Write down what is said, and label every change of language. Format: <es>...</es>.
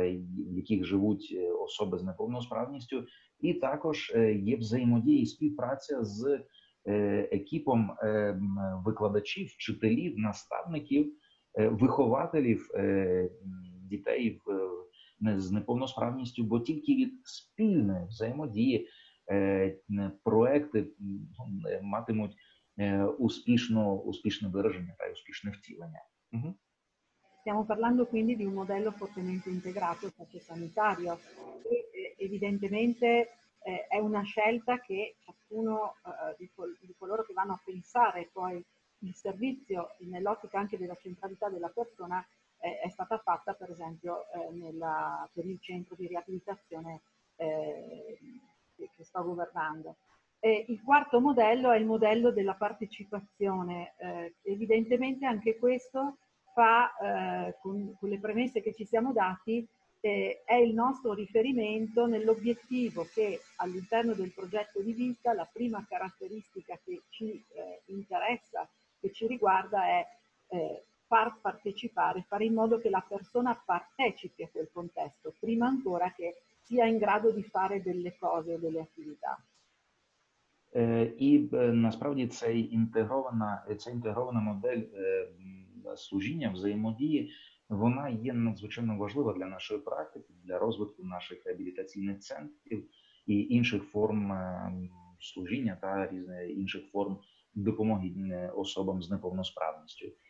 <uk>в яких живуть особи з неповносправністю, і також є взаємодія і співпраця з екіпом викладачів, вчителів, наставників, вихователів дітей з неповносправністю, бо тільки від спільної взаємодії проекти матимуть успішне вираження та успішне втілення.</uk> <it>Stiamo parlando quindi di un modello fortemente integrato sociosanitario, che evidentemente è una scelta che ciascuno di coloro che vanno a pensare poi il servizio nell'ottica anche della centralità della persona è stata fatta per esempio per il centro di riabilitazione che sto governando. E il quarto modello è il modello della partecipazione. Evidentemente anche questo fa, con le premesse che ci siamo dati, è il nostro riferimento nell'obiettivo che all'interno del progetto di vita la prima caratteristica che ci interessa, che ci riguarda è far partecipare, fare in modo che la persona partecipi a quel contesto, prima ancora che sia in grado di fare delle cose o delle attività.</it> <uk>І насправді ця інтегрована модель служіння, взаємодії, вона є надзвичайно важлива для нашої практики, для розвитку наших реабілітаційних центрів і інших форм служіння та інших форм допомоги особам з неповносправністю.</uk>